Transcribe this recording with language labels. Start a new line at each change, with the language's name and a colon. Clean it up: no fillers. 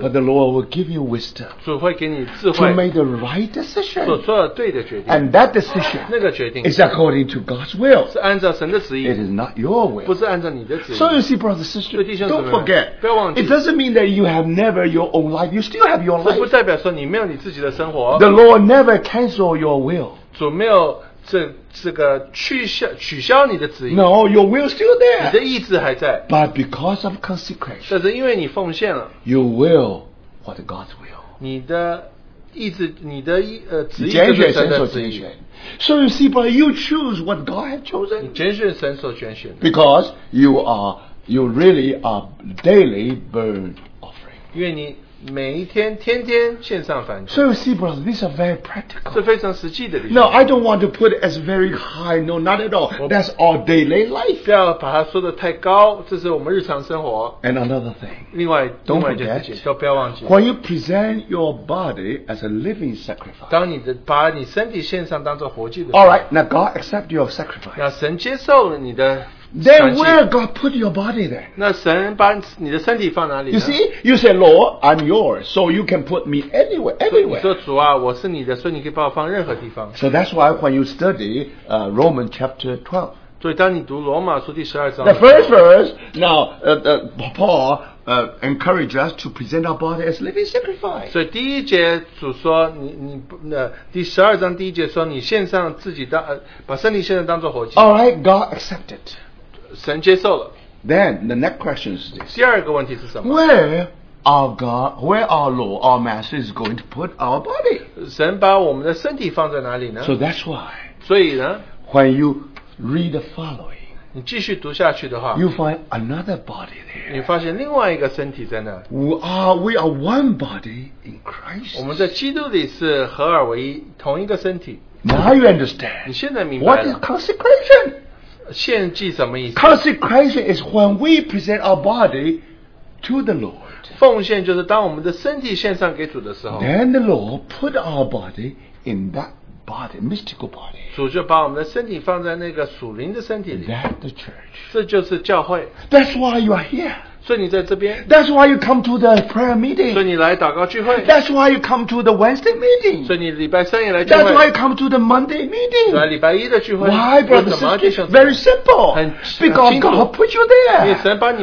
English: But the Lord will give you wisdom
Chinese: 主会给你智慧
English: To make the right decision
Chinese: 所做的对的决定
English: And that decision
Chinese: 那个决定
English: Is according to God's will
Chinese: 是按照神的旨意
English: It is not your will
Chinese: 不是按照你的旨意
English: So you see brothers and sisters
Chinese: 弟兄姊妹
English: Don't forget
Chinese: 不要忘记
English: It doesn't mean that you have never your own life You still have your life
Chinese: 这不代表说你没有你自己的生活
English: The Lord never cancel your will
Chinese: 主没有这个取消你的旨意
English: No, your will is still there
Chinese: 你的意志还在
English: But because of consecration
Chinese: 但是因为你奉献了
English: You will what God's will
Chinese: 你的意志你的旨意拣选神所拣选
English: So you see, but you choose what God has chosen
Chinese: 你拣选神所拣选
English: Because you really are daily burned offering
Chinese: 因为你每一天天天献上燔祭
English: So you see brothers These are very practical
Chinese: 是非常实际的理
English: 由 No I don't want to put it as very high No not at all That's our daily life
Chinese: 不要把它说得太高这是我们日常生活
English: And another thing
Chinese: 另外
English: Don't
Chinese: 另外一件事情都不要忘记
English: When you present your body As a living sacrifice
Chinese: 当你的把你身体献上当作活祭的
English: Alright Now God accept your sacrifice
Chinese: 那神接受了你的
English: Then where God put your body there?
Chinese: 那神把你的身体放哪里呢?
English: You see, you say, Lord, I'm yours, so you can put me anywhere.
Chinese: 你说主啊，我是你的，所以你可以把我放任何地方。
English: So that's why when you study Romans chapter 12.
Chinese: 所以当你读罗马书第十二章。
English: The first verse, now Paul encourages us to present our body as living sacrifice.
Chinese: 所以第一节主说，第十二章第一节说，你献上自己把身体献上当作活祭。
English: All right, God accepted.
Chinese: 神接受了。
English: Then the next question is this.
Chinese: 第二个问题是什么
English: ？Where our God, where our Lord, our Master is going to put our body?
Chinese: 神把我们的身体放在哪里呢
English: ？So that's why.
Chinese: 所以呢
English: ？When you read the following,
Chinese: 你继续读下去的话
English: ，you find another body there.
Chinese: 你发现另外一个身体在那。
English: We are one body in Christ.
Chinese: 我们在基督里是合二为一，同一个身体。
English: Now you understand.
Chinese: 你现在明白了。
English: What is consecration?
Chinese: 献祭什么意思
English: Consecration is when we present our body to the Lord
Chinese: 奉献就是当我们的身体献上给主的时候
English: Then the Lord put our body in that body, mystical body
Chinese: 主就把我们的身体放在那个属灵的身体里
English: That's the church
Chinese: 这就是教会
English: That's why you are here
Chinese: 所以你在这边
English: That's why you come to the prayer meeting
Chinese: 所以你来祷告聚会
English: That's why you come to the Wednesday meeting
Chinese: 所以你礼拜三也来聚
English: 会 That's why you come to the Monday meeting
Chinese: 来礼拜一的聚会
English: Why, brother, sister? Very simple Because God put you there
Chinese: 因为神把你